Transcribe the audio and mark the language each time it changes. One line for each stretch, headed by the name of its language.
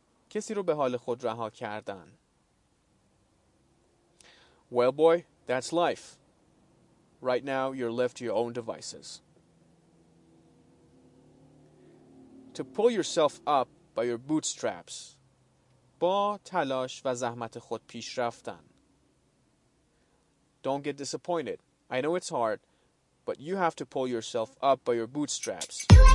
Persian: کسی رو به حال خود رها کردن.
English: Well, boy, that's life. Right now, you're left to your own devices. To pull yourself up by your bootstraps.
Persian: با تلاش و زحمت خود پیش رفتن.
English: Don't get disappointed. I know it's hard, but you have to pull yourself up by your bootstraps.